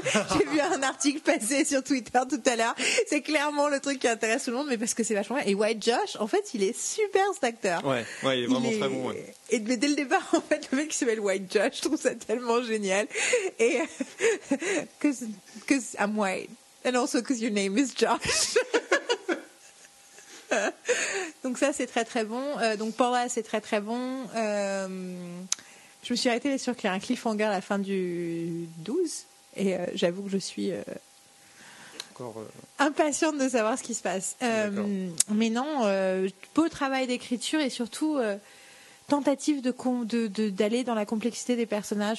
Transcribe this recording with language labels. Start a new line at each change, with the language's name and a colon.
French: J'ai vu un article passer sur Twitter tout à l'heure. C'est clairement le truc qui intéresse tout le monde, mais parce que c'est vachement bien. Et White Josh, en fait, il est super, cet acteur. Ouais, il est vraiment très bon. Ouais. Mais dès le départ, en fait, le mec qui s'appelle White Josh, je trouve ça tellement génial. Et.
English: Because I'm white. And also because your name is Josh.
French: Donc ça c'est très très bon. Donc Paula c'est très très bon. Je me suis arrêtée sur qu'il y a un cliffhanger à la fin du 12 et j'avoue que je suis impatiente de savoir ce qui se passe. Mais non, beau travail d'écriture et surtout tentative d'aller dans la complexité des personnages.